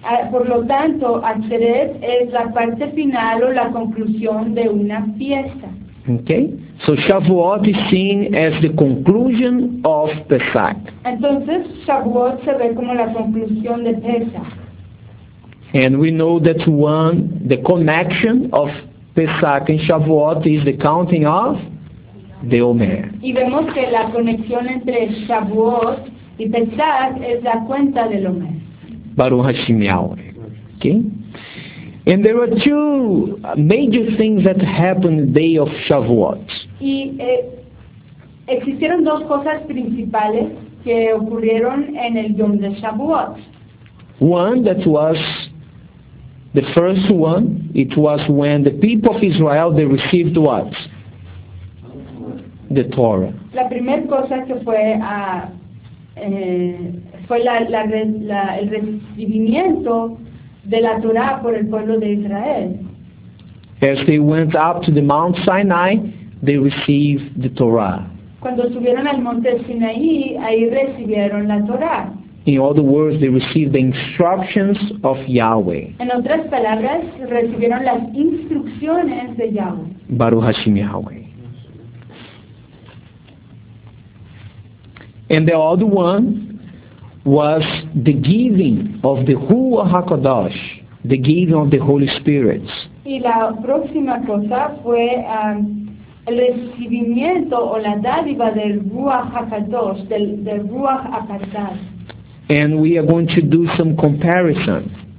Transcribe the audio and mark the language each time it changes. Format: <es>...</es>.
<es>Por lo tanto, Atzeret es la parte final o la conclusión de una fiesta.</es> <en>Okay. So Shavuot is seen as the conclusion of Pesach.</en> <es>Entonces, Shavuot se ve como la conclusión de Pesach.</es> <en>And we know that one, the connection of Pesach and Shavuot is the counting of</en> <es>de Omer. Y vemos que la conexión entre Shavuot y Pesaj es la cuenta del Omer.</es> <he>Baruch Hashem Yahweh.</he> <en>Okay? And there are two major things that happen the day of Shavuot.</en> <es>Y existieron dos cosas principales que ocurrieron en el Yom de Shavuot.</es> <en>One that was the first one, it was when the people of Israel, they received what? The Torah.</en> <es>La primera cosa que fue fue el recibimiento de la Torah por el pueblo de Israel.</es> <en>As they went up to the Mount Sinai, they received the Torah.</en> <es>Cuando subieron al Monte Sinaí, ahí recibieron la Torah.</es> <en>In other words, they received the instructions of Yahweh.</en> <es>En otras palabras, recibieron las instrucciones de Yahweh.</es> <he>Baruch Hashem Yahweh.</he> <en>And the other one was the giving of the Ruach HaKodesh, the giving of the Holy Spirit.</en> <es>Y la próxima cosa fue el recibimiento o la dádiva del Ruach HaKodesh, del Ruach HaKodesh.</es> <en>And we are going to do some comparison</en>